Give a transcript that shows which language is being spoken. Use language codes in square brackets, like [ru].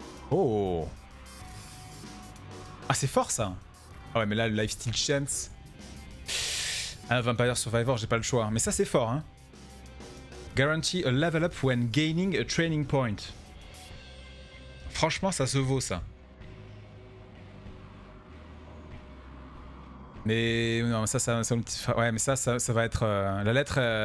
[fr] Oh! Ah, c'est fort ça! Ah ouais, mais là, le lifesteal chance. Ah, Vampire Survivor, j'ai pas le choix. Mais ça, c'est fort, hein. [en] Guarantee a level up when gaining a training point. [fr] Franchement, ça se vaut ça. Mais. Non, ça ouais, mais ça va être. La lettre.